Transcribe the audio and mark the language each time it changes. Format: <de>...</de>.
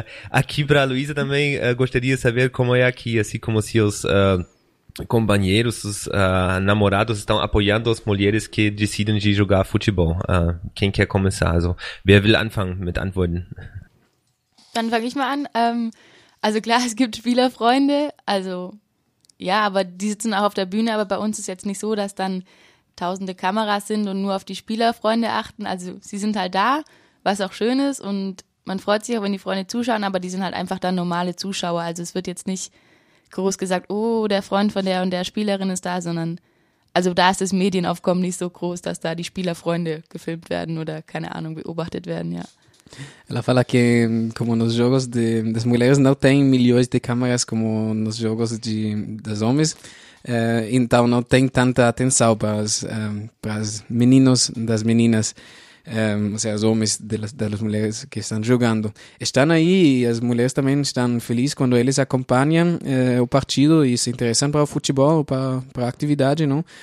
<pt>Aqui para a Luísa também gostaria de saber como é aqui, assim como se os companheiros, os namorados estão apoiando as mulheres que decidem de jogar futebol. Quem quer começar?</pt> <de>Also, wer will anfangen mit antworten? Dann fange ich mal an. Also klar, es gibt Spielerfreunde, also ja, aber die sitzen auch auf der Bühne, aber bei uns ist jetzt nicht so, dass dann tausende Kameras sind und nur auf die Spielerfreunde achten. Also sie sind halt da, was auch schön ist und man freut sich auch, wenn die Freunde zuschauen, aber die sind halt einfach dann normale Zuschauer. Also es wird jetzt nicht groß gesagt, oh, der Freund von der und der Spielerin ist da, sondern also da ist das Medienaufkommen nicht so groß, dass da die Spielerfreunde gefilmt werden oder, keine Ahnung, beobachtet werden, ja.</de> <pt>Ela fala que como nos jogos das mulheres não tem milhões de câmeras como nos jogos dos homens, então não tem tanta atenção para as meninos das meninas. Ou seja, os homens das mulheres que estão jogando. Estão aí e as mulheres também estão felizes quando eles acompanham o partido e se interessam para o futebol, para a atividade, não?</pt>